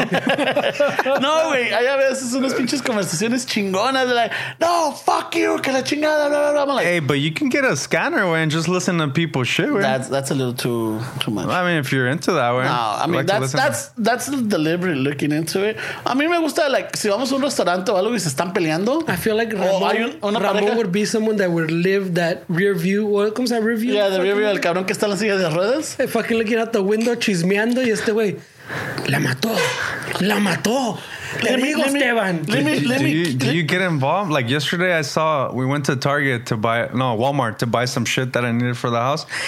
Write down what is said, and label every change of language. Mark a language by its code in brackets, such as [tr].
[es] No, güey, hay a veces unas pinches conversaciones chingonas, de like, no, [en] fuck you, [es] que la chingada, blah, blah, blah. [en] I'm like, hey, but you can get a scanner, güey, and just listen to people's shit, güey. That's a little too much. I mean, if you're into that, güey. No, I mean, that's the deliberate looking into it. [es] A mí me gusta, like, si vamos a un restaurante o algo, se están peleando. [en] I feel like Ramón would be someone that would live that rear view. What comes that rear view? Yeah, the rear view [es] del cabrón que está en la silla de ruedas. [en] Fucking looking out the window, [es] chismeando, y este güey la mató. [en] Do you get involved? Like yesterday I saw, we went to Target to buy, no, Walmart to buy some shit that I needed for the house.